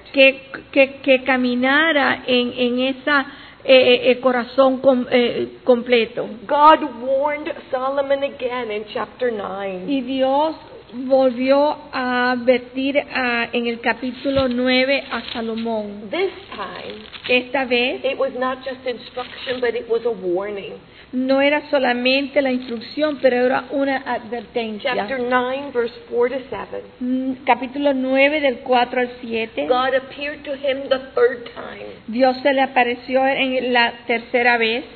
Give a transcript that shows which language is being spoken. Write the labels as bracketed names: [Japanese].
[Spanish] Que caminara en esa corazón completo. [English] God warned Solomon again in chapter 9. [Spanish] Y Dios volvió a advertir en el capítulo 9 a Salomón. [English] This time, [Spanish] esta vez, [English] it was not just instruction, but it was a warning. [Spanish] No era solamente la instrucción, pero era una advertencia. [English] Chapter 9, verse 4 to 7. [Spanish] Capítulo 9, del 4 al 7. [English] God appeared to him the third time. [Spanish] Dios se le apareció en la tercera vez.